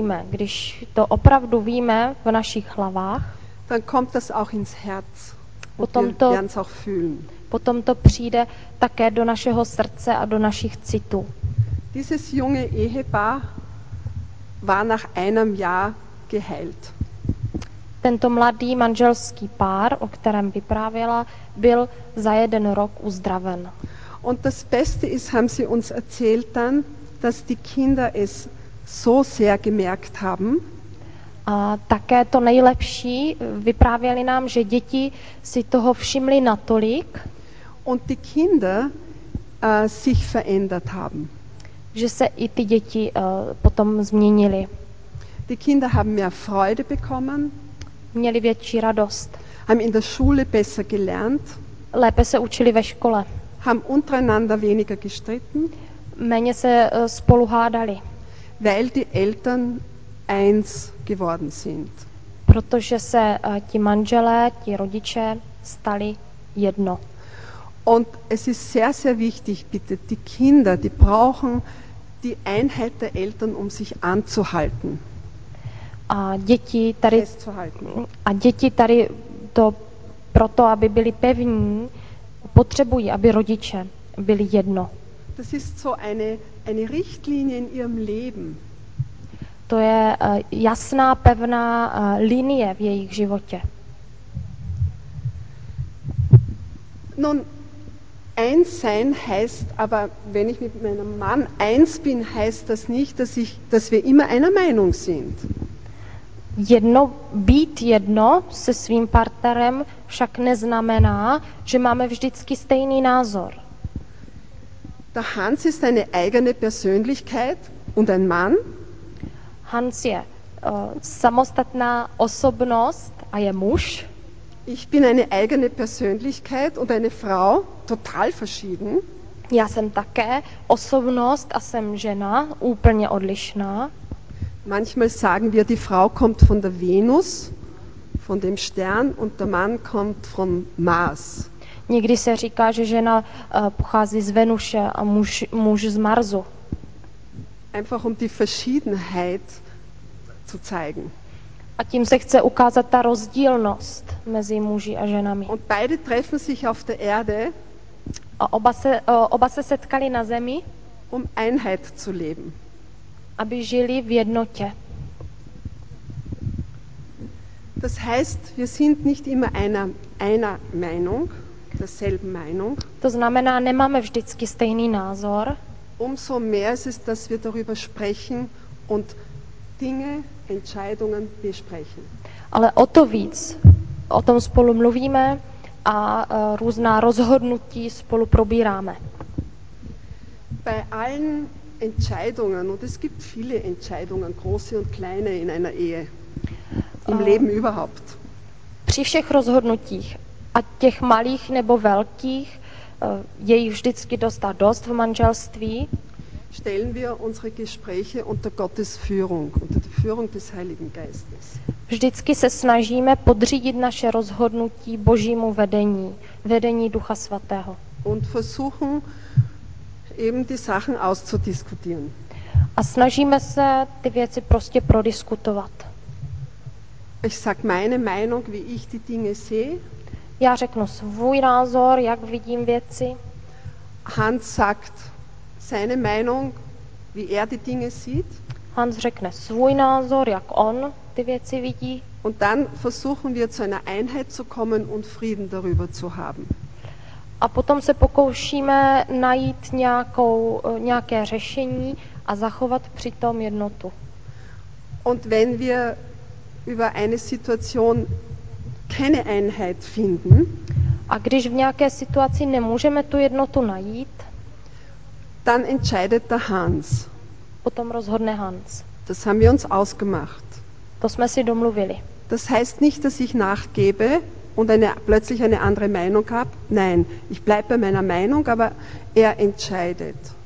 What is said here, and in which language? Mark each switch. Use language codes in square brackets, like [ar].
[cs] Když to opravdu víme v našich hlavách, [de] dann kommt das auch ins Herz. [cs] Potom to, [de] wir werden's auch fühlen. [cs] Potom to přijde také do našeho srdce a do našich citů. [de] Dieses junge Ehepaar war nach einem Jahr geheilt. [cs] Tento mladý manželský pár, o kterém vyprávěla, byl za jeden rok uzdraven. [de] Und das Beste ist, haben sie uns erzählt dann, dass die Kinder es so sehr gemerkt haben. [cs] A také to nejlepší vyprávěli nám, že děti si toho všimli natolik, [de] und die Kinder sich verändert haben. [cs] Že se i ty děti potom změnili. [de] Die Kinder haben mehr Freude bekommen. [cs] Měli větší radost. [de] Haben in der Schule besser gelernt. [cs] Lépe se učili ve škole. [de] Haben untereinander weniger gestritten. [cs] Méně se spolu hádali. [de] Weil die Eltern eins geworden sind. [cs] Protože se ti manželé, ti rodiče stali jedno. [de] Und es ist sehr, sehr wichtig, bitte, die Kinder, die brauchen die Einheit der Eltern, um sich anzuhalten. [cs] A děti tady, [de] festzuhalten. [cs] A děti tady to proto, aby byli pevní, potřebují, aby rodiče byli jedno. [de] Das ist so eine Richtlinie in ihrem Leben. [cs] To je jasná, pevná linie v jejich životě. [de] Nun, eins sein heißt, aber wenn ich mit meinem Mann eins bin, heißt das nicht, dass wir immer einer Meinung sind. [cs] Jedno, být jedno se svým partnerem však neznamená, že máme vždycky stejný názor. [de] Der Hans ist eine eigene Persönlichkeit und ein Mann. [cs] Hans je samostatná osobnost a je muž. [de] Ich bin eine eigene Persönlichkeit und eine Frau, total verschieden. [cs] Já jsem také osobnost a jsem žena, úplně odlišná. [de] Manchmal sagen wir, die Frau kommt von der Venus, von dem Stern, und der Mann kommt von Mars. [cs] Někdy se říká, že žena pochází z Venuše a muž z Marsu. [de] Einfach um die Verschiedenheit zu zeigen. [cs] A tím se chce ukázat ta rozdílnost mezi muži a ženami. [de] Und beide treffen sich auf der Erde. [cs] A oba se setkali na zemi. [de] Um Einheit zu leben. [cs] Aby žili v jednotě. [de] Das heißt, wir sind nicht immer einer Meinung, derselben Meinung. [cs] To znamená, nemáme vždycky stejný názor. [de] Umso mehr ist es, dass wir darüber sprechen und Dinge, Entscheidungen besprechen. [cs] Ale o to víc o tom spolu mluvíme a různá rozhodnutí spolu probíráme. [de] Bei allen Entscheidungen, und es gibt viele Entscheidungen, große und kleine in einer Ehe, im Leben überhaupt. [cs] Při všech rozhodnutích, a těch malých nebo velkých, je jich vždycky dost a dost v manželství. [de] Stellen wir unsere Gespräche unter Gottes Führung, unter die Führung des Heiligen Geistes. [cs] Vždycky se snažíme podřídit naše rozhodnutí Božímu vedení, vedení Ducha Svatého. [de] Und versuchen eben die Sachen auszudiskutieren. [cs] A snažíme se ty věci prostě prodiskutovat. [de] Ich sag meine Meinung, wie ich die Dinge sehe. [cs] Já řeknu svůj názor, jak vidím věci. [de] Hans sagt seine Meinung, wie die Dinge sieht. [cs] Hans řekne svůj názor, jak on ty věci vidí. [de] Und dann versuchen wir zu einer Einheit zu kommen und Frieden darüber zu haben. [cs] A potom se pokoušíme najít nějaké řešení a zachovat přitom jednotu. [de] Und wenn wir über eine Situation keine Einheit finden, [cs] a když v nějaké situaci nemůžeme tu jednotu najít, [de] dann entscheidet der Hans. [cs] Potom rozhodne Hans. [de] Das haben wir uns ausgemacht. [cs] To jsme si domluvili. [de] Das heißt nicht, dass ich nachgebe und plötzlich eine andere Meinung habe. Nein, ich bleibe bei meiner Meinung, aber entscheidet.